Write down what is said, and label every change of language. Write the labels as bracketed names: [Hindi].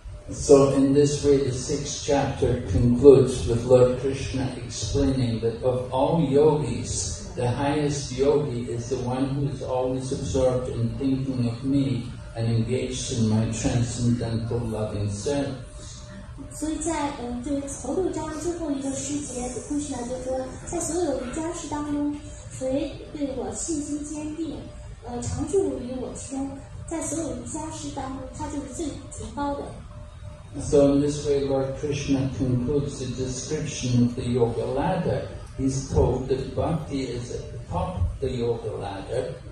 [English] So in this way, the sixth chapter concludes with Lord Krishna explaining that of all yogis, the highest yogi is the one who is always absorbed in thinking of me and engaged in my transcendental loving service. [Chinese] 所以在头六章最后一个虚节，Krishna就说，在所有瑜伽师当中，谁对我信心坚定，常住于我心，在所有瑜伽师当中，他就是最崇高的。 [English] So in this way, Lord Krishna concludes the description of the yoga ladder. He's told that bhakti is at the top of the yoga ladder.